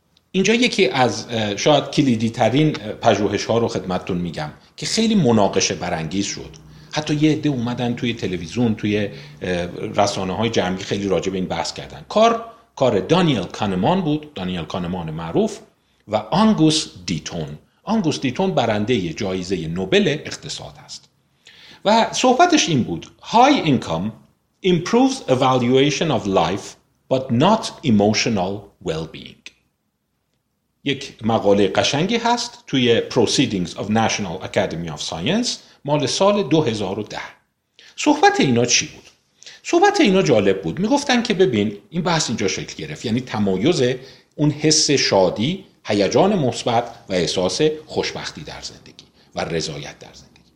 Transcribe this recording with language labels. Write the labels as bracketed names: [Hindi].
[Persian] اینجا یکی از شاید کلیدی ترین پژوهش ها رو خدمتتون میگم که خیلی مناقشه برانگیز شد. حتی یه عده اومدن توی تلویزیون، توی رسانه های جمعی خیلی راجع به این بحث کردن. کار دانیل کانمان بود، دانیل کانمان معروف و آنگوس دیتون. آنگوس دیتون برنده جایزه نوبل اقتصاد است. و صحبتش این بود: [English] High income improves evaluation of life but not emotional well-being. [Persian] یک مقاله قشنگی هست توی Proceedings of National Academy of Science مال سال 2010. صحبت اینا چی بود؟ صحبت اینا جالب بود. میگفتن که ببین این بحث اینجا شکل گرفت، یعنی تمایز اون حس شادی، هیجان مثبت و احساس خوشبختی در زندگی و رضایت در زندگی.